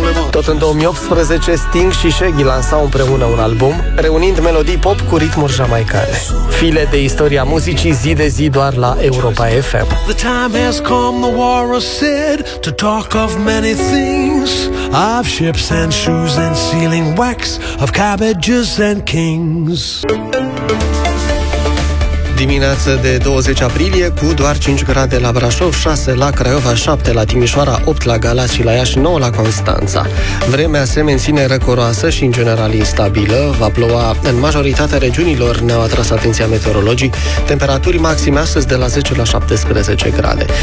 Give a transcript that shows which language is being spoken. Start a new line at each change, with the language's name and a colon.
Romanian: Tot în 2018, Sting și Shaggy lansau împreună un album, reunind melodii pop cu ritmuri jamaicane. File de istoria muzicii zi de zi doar la Europa FM.
English: The time has come, the war has said, to talk of many things, of ships and shoes and sealing wax, of cabbages and kings.
Romanian: Dimineață de 20 aprilie, cu doar 5 grade la Brașov, 6 la Craiova, 7 la Timișoara, 8 la Galați și la Iași, 9 la Constanța. Vremea se menține răcoroasă și în general instabilă, va ploua în majoritatea regiunilor, ne-au atras atenția meteorologii, temperaturi maxime astăzi de la 10 la 17 grade.